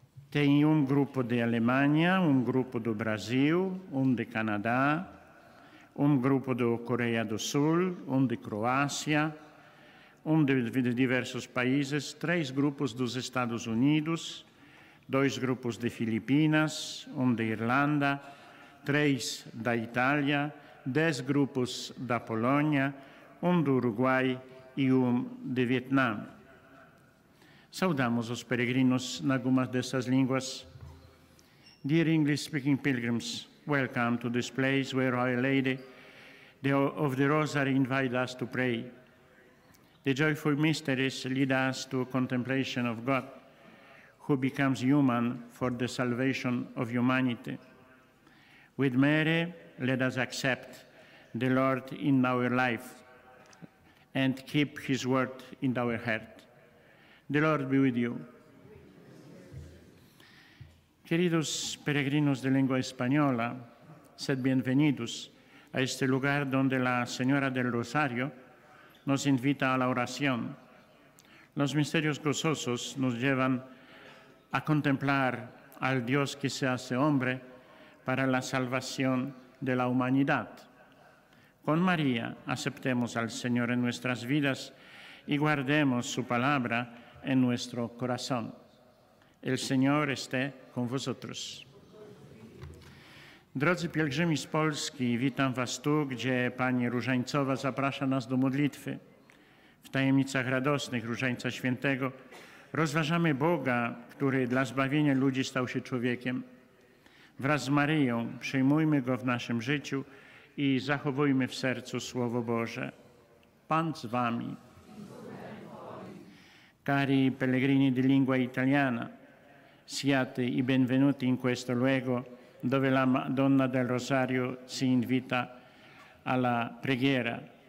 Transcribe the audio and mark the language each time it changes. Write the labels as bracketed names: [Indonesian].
[Portuguese] Tem um grupo de Alemanha, um grupo do Brasil, um de Canadá, um grupo da Coreia do Sul, um de Croácia, um de diversos países, três grupos dos Estados Unidos, dois grupos de Filipinas, um de Irlanda, três da Itália, dez grupos da Polônia, um do Uruguai e um de Vietnã. Saudamos os peregrinos em algumas dessas línguas. [English] Dear English-speaking pilgrims, welcome to this place where Our Lady of the Rosary invites us to pray. The joyful mysteries lead us to a contemplation of God, who becomes human for the salvation of humanity. With Mary, let us accept the Lord in our life and keep his word in our heart. The Lord be with you. [Spanish] Queridos peregrinos de lengua española, sed bienvenidos a este lugar donde la Señora del Rosario nos invita a la oración. Los misterios gozosos nos llevan a contemplar al Dios que se hace hombre para la salvación de la humanidad. Con María aceptemos al Señor en nuestras vidas y guardemos su palabra en nuestro corazón. El Señor esté con vosotros. [Polish] Drodzy pielgrzymi z Polski, witam was tu, gdzie Pani Różańcowa zaprasza nas do modlitwy. W tajemnicach radosnych Różańca Świętego rozważamy Boga, który dla zbawienia ludzi stał się człowiekiem. Wraz z Maryją przyjmujmy Go w naszym życiu i zachowujmy w sercu Słowo Boże. Pan z wami. [Italian] Cari pellegrini di lingua italiana, siate i benvenuti in questo luogo dove la Madonna del Rosario si invita alla preghiera.